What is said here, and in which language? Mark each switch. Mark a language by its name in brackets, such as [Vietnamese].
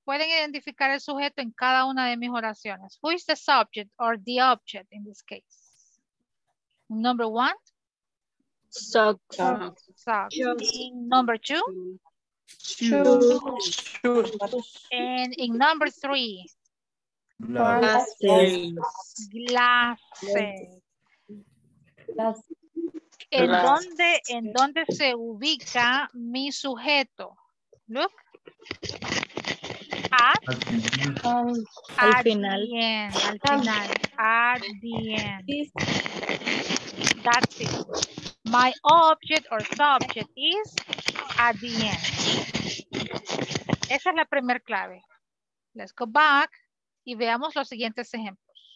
[Spanish] ¿Pueden identificar el sujeto en cada una de mis oraciones? [English] Who is the subject or the object in this case? Number one? Socks. Socks. Number two? Shoes. And in number three? Glasses. Glasses. [Spanish] ¿En dónde se ubica mi sujeto? Look. [English] At the end. That's it. My object or subject is at the end. [Spanish] Esa es la primera clave. [English] Let's go back [Spanish] y veamos los siguientes ejemplos.